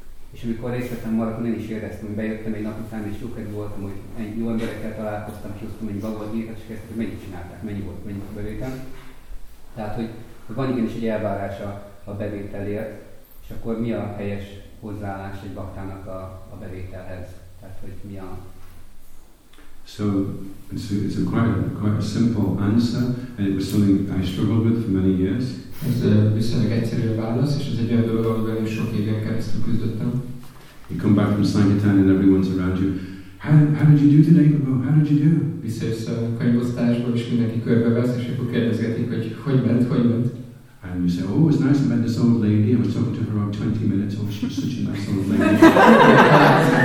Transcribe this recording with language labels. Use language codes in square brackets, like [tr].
[hu] És amikor részt vettem maradtam, én is éreztem, hogy bejöttem egy nap után, és jó kedv voltam, hogy egy jó emberekkel találkoztam, kihoztam egy bagadét, és kezdtem, hogy mennyit csinálták, mennyi volt, mennyi bevétel. Tehát, hogy van igenis egy elvárás a bevételért, és akkor mi a helyes hozzáállás egy baktának a bevételhez? Tehát, hogy mi a... [en] So, it's a quite a simple answer, and it was something I struggled with for many years. [hu] Ez viszonylag egyszerű válasz, és ez egy olyan dolog, amivel sok éven keresztül küzdöttem. [en] You come back from Sankirtan and everyone's around you. How did you do today, Prabhu? How did you do? [hu] Visszajössz a könyvosztásból, és mindenki körbevesz, és akkor kérdezgetik, hogy hogy ment. [en] And you say, oh, it was nice to meet this old lady. I was talking to her about 20 minutes. Oh, she's such a nice old lady.